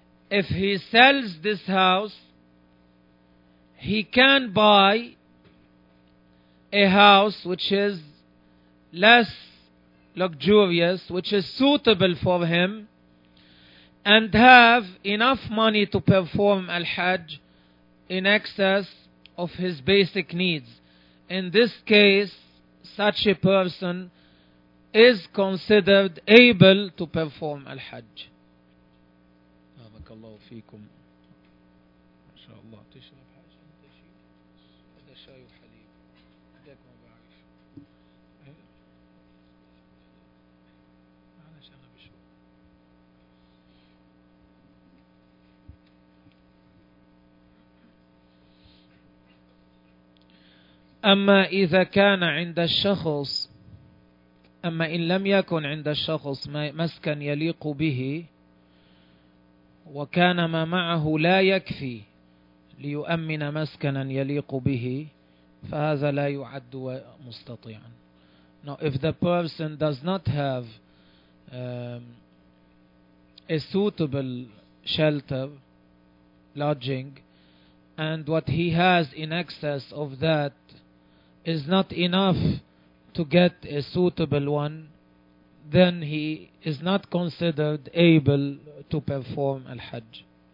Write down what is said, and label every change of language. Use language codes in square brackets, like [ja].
[en] if he sells this house, he can buy a house which is less luxurious, which is suitable for him, and have enough money to perform al-hajj in excess of his basic needs. In this case, such a person is considered able to perform al-hajj. [ar] الله فيكم ما شاء الله تشرب حاجة هذا شاي وحليب هذاك ما بعرف أنا شغل بشوف أما إذا كان عند الشخص أما إن لم يكن عند الشخص مسكن يليق به وكان ما معه لا يكفي ليؤمن مسكنا يليق به فهذا لا يعد مستطيعا. [en] Now if the person does not have a suitable shelter, lodging, and what he has in excess of that is not enough to get a suitable one, then he is not considered able to perform al-hajj.